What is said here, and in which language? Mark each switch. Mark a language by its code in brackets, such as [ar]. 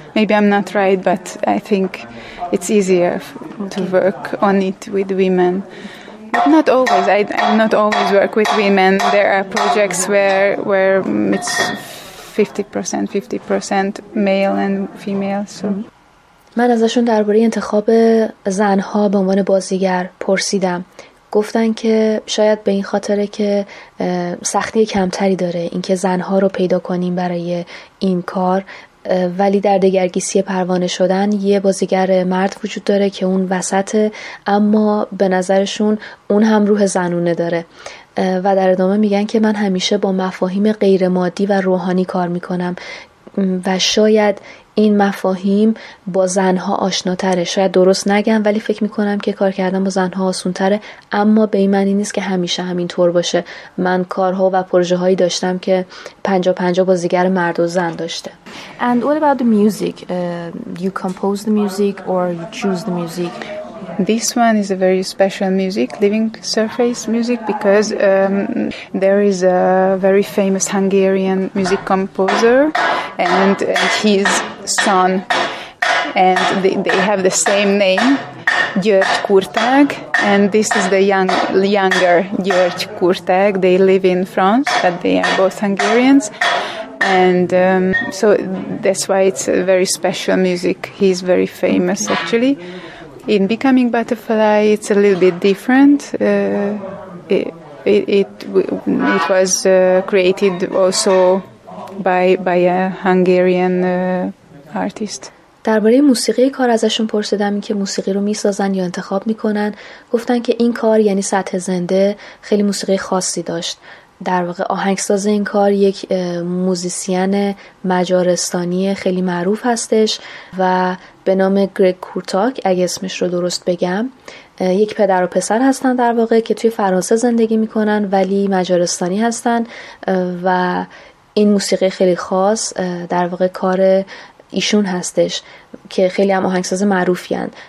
[en] Maybe I'm not right, but I think it's easier to work on it with women. Not always. I not always work with women. There are projects where it's 50% male and female. So. [fa] من ازشون درباره انتخاب زنها به عنوان بازیگر پرسیدم. گفتن که شاید به این خاطره که سختی کمتری داره اینکه زنها رو پیدا کنیم برای این کار، ولی در دگرگیسی پروانه شدن یه بازیگر مرد وجود داره که اون وسطه، اما به نظرشون اون هم روح زنونه داره. و در ادامه میگن که من همیشه با مفاهیم غیر مادی و روحانی کار میکنم و شاید این مفاهیم با زنها آشناتره. شاید درست نگم، ولی فکر میکنم که کار کردن با زنها آسونتره، اما به این معنی نیست که همیشه همین طور باشه. من کارها و پروژه هایی داشتم که 50-50 بازیگر مرد و زن داشته. [en] And what about the music? You compose the music or you choose the music? This one is a very special music, living surface music, because there is a very famous Hungarian music composer and his son, and they have the same name, György Kurtág, and this is the younger György Kurtág. They live in France, but they are both Hungarians. And so that's why it's a very special music. He's very famous, actually. In Becoming Butterfly, it's a little bit different. It was created also by a Hungarian artist. [fa] درباره موسیقی کار ازشون پرسیدم که موسیقی رو میسازن یا انتخاب میکنن. گفتن که این کار، یعنی سطح زنده، خیلی موسیقی خاصی داشت. در واقع آهنگساز این کار یک موزیسین مجارستانی خیلی معروف هستش و به نام گرگ کورتاک، اگه اسمش رو درست بگم، یک پدر و پسر هستن در واقع که توی فرانسه زندگی میکنن ولی مجارستانی هستن و این موسیقی خیلی خاص در واقع کار ایشون هستش که خیلی هم آهنگساز معروفین.